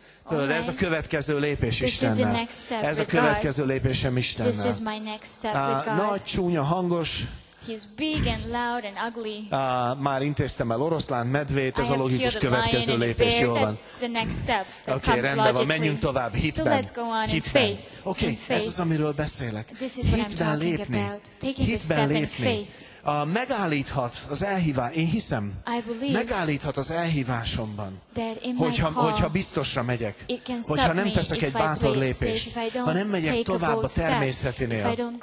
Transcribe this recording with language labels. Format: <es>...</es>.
<hu>Tudod, ez a következő lépés Istennel. Ez a következő lépésem Istennel.</hu> <en>This is my next step with God.</en> <hu>Nagy, csúnya, hangos.</hu> <en>He's big and loud and ugly.</en> <hu>Már intéztem el oroszlán medvét, ez a logikus következő lépés, jól van.</hu> <en>Okay,</en> <hu>rendben van, menjünk tovább, hitben.</hu> <en>So let's go on in faith.</en> <hu>Okay, ez az, amiről beszélek. Hitben lépni. Hitben lépni. Megállíthat az elhívás, én hiszem, megállíthat az elhívásomban, hogyha biztosra megyek, hogyha nem teszek egy bátor lépést, ha nem megyek tovább a természetinél.</hu>